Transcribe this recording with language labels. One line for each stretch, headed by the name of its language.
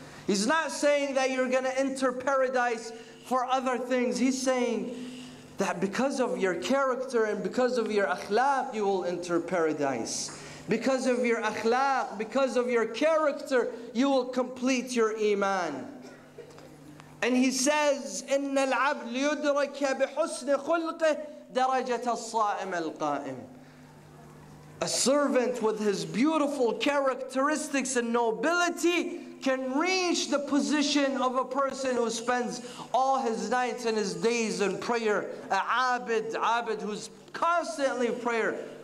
English: He's not saying that you're going to enter paradise for other things. He's saying that because of your character and because of your akhlaq, you will enter paradise. Because of your akhlaq, because of your character, you will complete your iman. And he says,
Arabic: إِنَّ الْعَبْدُ لِيُدْرَكَ بِحُسْنِ خُلْقِهِ دَرَجَةَ الصَّائِمَ الْقَائِمِ.
English: A servant with his beautiful characteristics and nobility can reach the position of a person who spends all his nights and his days in prayer. An abid who's constantly in prayer.